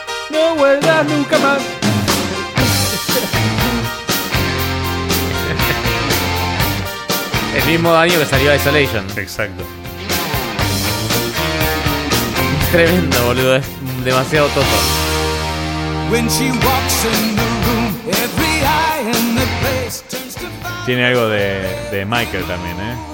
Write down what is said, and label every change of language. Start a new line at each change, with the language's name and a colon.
Spanish: No vuelvas nunca más. El mismo año que salió Isolation. Exacto. Tremendo, boludo, es demasiado Toto.
English: When she walks in the room, every eye in the place turns to find.
Spanish: Tiene algo de Michael también, ¿eh?